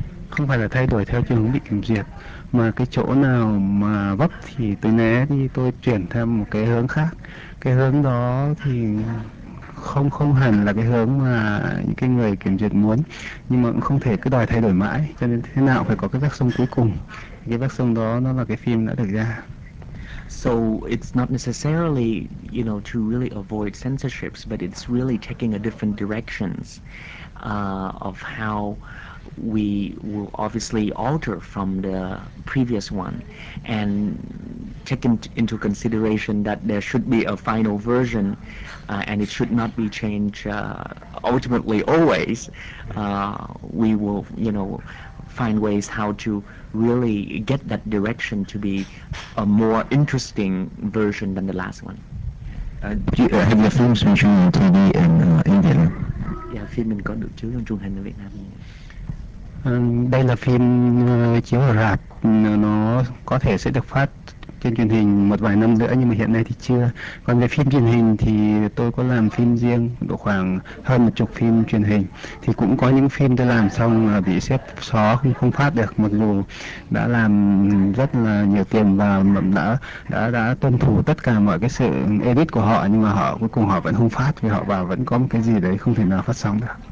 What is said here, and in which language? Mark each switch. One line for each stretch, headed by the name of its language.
Vietnamese: Không phải là thay đổi theo chiều hướng bị kiểm duyệt, mà cái chỗ nào mà vấp thì tôi né đi, tôi chuyển theo một cái hướng khác. Cái hướng đó thì không hẳn là cái hướng mà những cái người kiểm duyệt muốn, nhưng mà cũng không thể cứ đòi thay đổi mãi, cho nên thế nào phải có cái vách sông cuối cùng. Cái vách sông đó nó là cái phim đã được ra.
English: So it's not necessarily, you know, to really avoid censorships, but it's really taking a different directions of how we will obviously alter from the previous one, and take into consideration that there should be a final version, and it should not be changed ultimately always. We will, you know, find ways how to really get that direction to be a more interesting version than the last one. Have your films been shown on TV in India? Yeah,
Vietnamese: phim mình có được chiếu trong truyền hình ở Việt Nam. Đây là phim chiếu ở rạp, nó có thể sẽ được phát trên truyền hình một vài năm nữa, nhưng mà hiện nay thì chưa. Còn về phim truyền hình thì tôi có làm phim riêng độ khoảng hơn 10 phim truyền hình, thì cũng có những phim tôi làm xong là bị sếp xóa, không phát được, mặc dù đã làm rất là nhiều tiền và đã tuân thủ tất cả mọi cái sự edit của họ, nhưng mà họ cuối cùng họ vẫn không phát vì họ bảo vẫn có một cái gì đấy không thể nào phát sóng được.